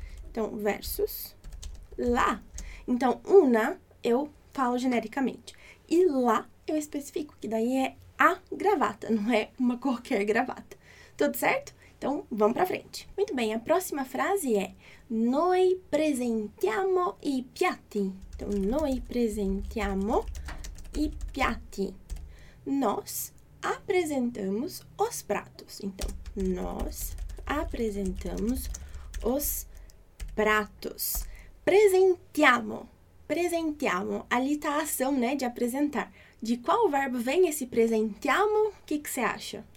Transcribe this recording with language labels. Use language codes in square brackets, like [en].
[pt] Então, versus lá. Então, una eu falo genericamente. E lá eu especifico, que daí é a gravata, não é uma qualquer gravata. Tudo certo? Então, vamos pra frente. Muito bem, a próxima frase é [it] noi presentiamo i piatti. [pt] Então, [it] noi presentiamo i piatti. [pt] Nós apresentamos os pratos. Então, nós apresentamos os pratos. [it] Presentiamo. Presentiamo. [pt] Ali tá a ação, né, de apresentar. De qual verbo vem esse presentiamo? Que você acha?